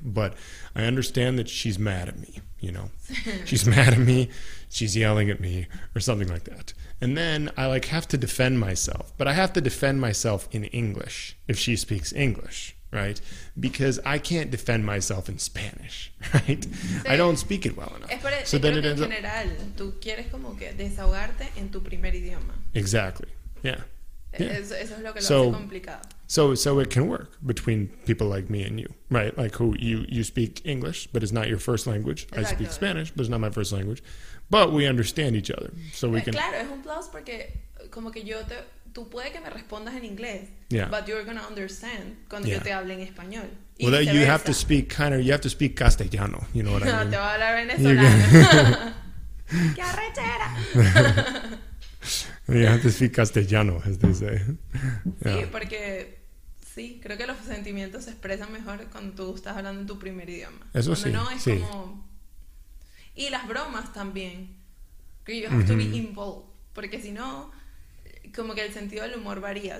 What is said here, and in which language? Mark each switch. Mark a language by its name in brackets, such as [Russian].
[English] But I understand that she's mad at me, you know. She's mad at me. She's yelling at me or something like that. And then I like have to defend myself, but I have to defend myself in English if she speaks English, right? Because I can't defend myself in Spanish, right? Sí. I don't speak it well enough. So then it ends up. [Spanish] General, tú quieres como que desahogarte en tu primer idioma. [English] Exactly. Yeah. [Spanish] Yeah. Eso es lo que lo hace complicado. [English] So it can work between people like me and you, right? Like who you speak English, but it's not your first language. Exactly. I speak Spanish, but it's not my first language. But we understand each other, so we can. [Spanish] Claro, es un plus porque como que yo te, tú puede que me respondas en inglés, [English] yeah. But you're gonna understand [Spanish] cuando yeah. yo te hable en español. [English] Well, that you have to speak you have to speak castellano. You know what I mean? [Spanish] No, te voy a hablar venezolano. Qué arrechera. [English] You have to speak castellano, as they say. Yeah. [Spanish] Sí, porque sí, creo que los sentimientos se expresan mejor cuando tú estás hablando en tu primer idioma. Eso cuando sí. No es sí. como. Y las bromas también, que [English] you have [Spanish] mm-hmm. [English] to be involved, [Spanish] porque si no, como que el sentido del humor varía.